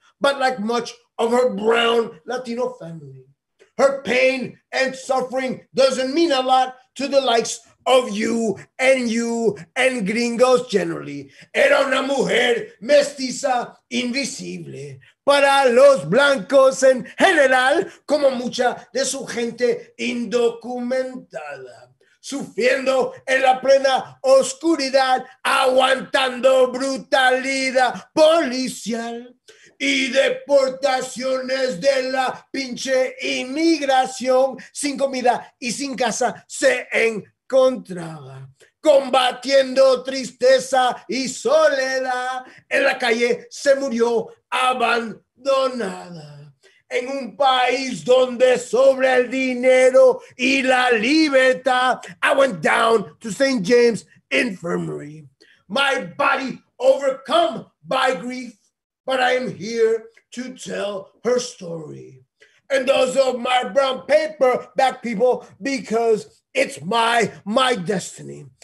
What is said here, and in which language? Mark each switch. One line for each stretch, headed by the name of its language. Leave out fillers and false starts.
English: But like much of her brown Latino family, her pain and suffering doesn't mean a lot to the likes of you and gringos generally.
Spanish: Era una mujer mestiza invisible, para los blancos en general, como mucha de su gente indocumentada, sufriendo en la plena oscuridad, aguantando brutalidad policial y deportaciones de la pinche inmigración, sin comida y sin casa, se encontraba combatiendo tristeza y soledad. En la calle se murió abandonada, en un país donde sobra el dinero y la libertad.
English: I went down to St. James Infirmary, my body overcome by grief, but I am here to tell her story and those of my brown paper back people, because it's my destiny.